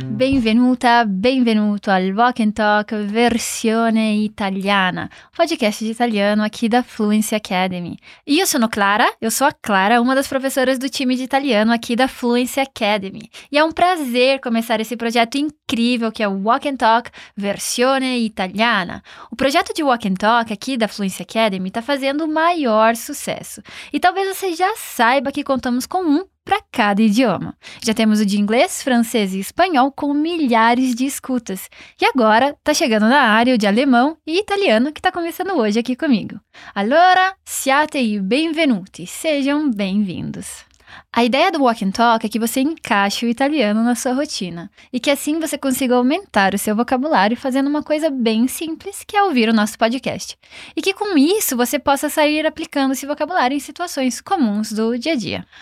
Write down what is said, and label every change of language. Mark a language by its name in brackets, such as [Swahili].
[Italian] Benvenuta, benvenuto al Walk and Talk versione italiana. Oggi che sei italiano qui da Fluency Academy. Io sono Clara, [Portuguese] eu sou a Clara, uma das professoras do time de italiano aqui da Fluency Academy. E é um prazer começar esse projeto incrível que é o Walk and Talk versione italiana. O projeto de Walk and Talk aqui da Fluency Academy está fazendo o maior sucesso. E talvez você já saiba que contamos com um para cada idioma. Já temos o de inglês, francês e espanhol com milhares de escutas. E agora tá chegando na área o de alemão e italiano que tá começando hoje aqui comigo. [Italian] Allora, siate e benvenuti. [Portuguese] Sejam bem-vindos. A ideia do Walk and Talk é que você encaixe o italiano na sua rotina e que assim você consiga aumentar o seu vocabulário fazendo uma coisa bem simples, que é ouvir o nosso podcast. E que com isso você possa sair aplicando esse vocabulário em situações comuns do dia a dia.